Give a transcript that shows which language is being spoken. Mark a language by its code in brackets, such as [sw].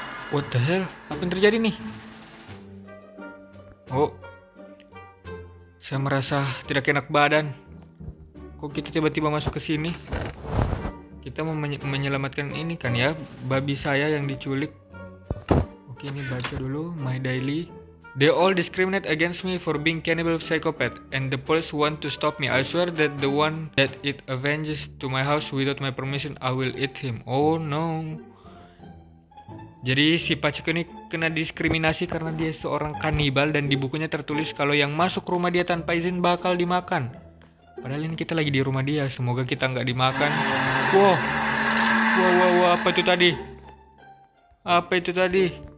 [en] What the hell? [id] Apa yang terjadi nih? Oh. Saya merasa tidak enak badan. Kok kita tiba-tiba masuk ke sini? Kita mau menyelamatkan ini kan ya, babi saya yang diculik. Oke, ini baca dulu [en] my diary. They all discriminate against me for being cannibal psychopath, and the police want to stop me. I swear that the one that it avenges to my house without my permission, I will eat him. Oh no. [id] Jadi si Pacheco ini kena diskriminasi karena dia seorang kanibal dan di bukunya tertulis kalau yang masuk rumah dia tanpa izin bakal dimakan. Padahal ini kita lagi di rumah dia, semoga kita nggak dimakan. Wow. Wow, wow, wow, apa itu tadi? Apa itu tadi?